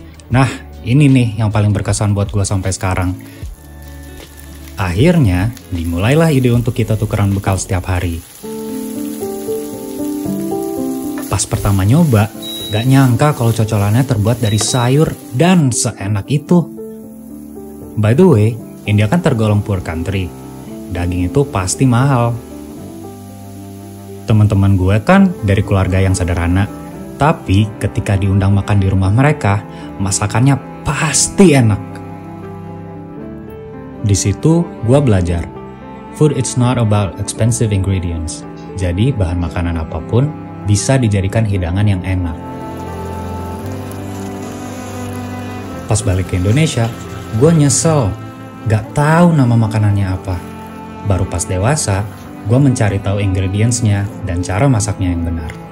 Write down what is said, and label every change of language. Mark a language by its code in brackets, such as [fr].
[id] Nah, ini nih yang paling berkesan buat gue sampai sekarang. Akhirnya, dimulailah ide untuk kita tukeran bekal setiap hari. Pas pertama nyoba, gak nyangka kalau cocolannya terbuat dari sayur dan seenak itu. [en] By the way, India kan tergolong poor country. [id] Daging itu pasti mahal. Teman-teman gue kan dari keluarga yang sederhana. Tapi ketika diundang makan di rumah mereka, masakannya pasti enak. Di situ, gue belajar. [en] Food is not about expensive ingredients. [id] Jadi, bahan makanan apapun bisa dijadikan hidangan yang enak. Pas balik ke Indonesia, gue nyesel. Gak tahu nama makanannya apa. Baru pas dewasa, gue mencari tahu [en] ingredients-nya [id] dan cara masaknya yang benar.